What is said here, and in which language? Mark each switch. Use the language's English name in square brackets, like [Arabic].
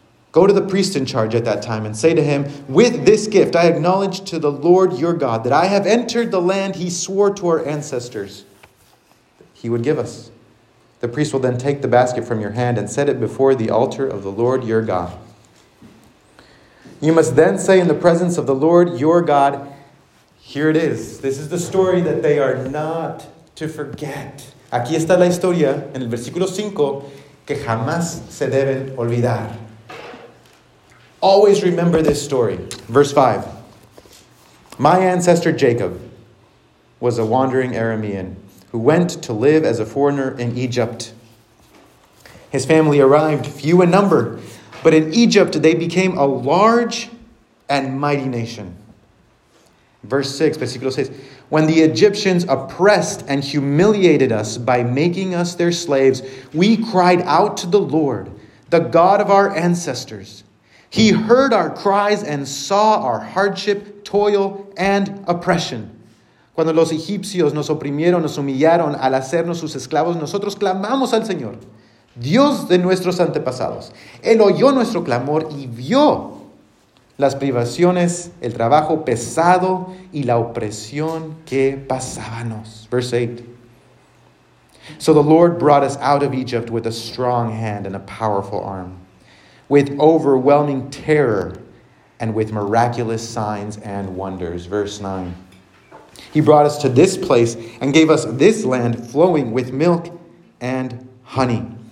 [English] Go to the priest in charge at that time and say to him, with this gift I acknowledge to the Lord your God that I have entered the land he swore to our ancestors he would give us. The priest will then take the basket from your hand and set it before the altar of the Lord your God. You must then say in the presence of the Lord your God, here it is. This is the story that they are not to forget. [Spanish] Aquí está la historia en el versículo 5 que jamás se deben olvidar. [English] Always remember this story. Verse 5. My ancestor Jacob was a wandering Aramean who went to live as a foreigner in Egypt. His family arrived few in number, but in Egypt they became a large and mighty nation. Verse 6, [Spanish] versículo 6. [English] When the Egyptians oppressed and humiliated us by making us their slaves, we cried out to the Lord, the God of our ancestors. He heard our cries and saw our hardship, toil, and oppression. [Spanish] Cuando los egipcios nos oprimieron, nos humillaron al hacernos sus esclavos, nosotros clamamos al Señor, Dios de nuestros antepasados. Él oyó nuestro clamor y vio las privaciones, el trabajo pesado y la opresión que pasábamos. [English] Verse 8. So the Lord brought us out of Egypt with a strong hand and a powerful arm, with overwhelming terror and with miraculous signs and wonders. Verse 9. He brought us to this place and gave us this land flowing with milk and honey.